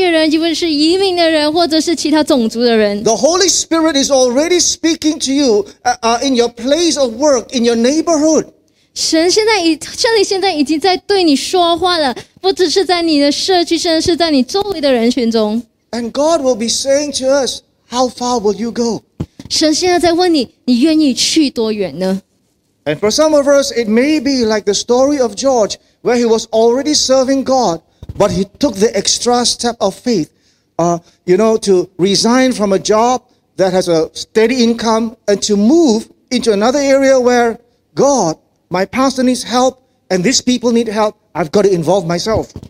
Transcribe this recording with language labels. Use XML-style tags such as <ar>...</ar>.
<zh>有些人呢，神正在对你说话，圣灵在触摸着你，要你去服侍那些其他的外界人，无论是移民的人，或者是其他种族的人。</zh> <en>The Holy Spirit is already speaking to you, in your place of work, in your neighborhood.</en> <zh>圣灵现在已经在对你说话了，不只是在你的社区，甚至是在你周围的人群中。</zh> <en>And God will be saying to us, "How far will you go?"</en> <zh>神现在在问你，你愿意去多远呢？</zh> <en>And for some of us, it may be like the story of George, where he was already serving God, but he took the extra step of faith, you know, to resign from a job that has a steady income and to move into another area where God, my pastor needs help and these people need help, I've got to involve myself.</en>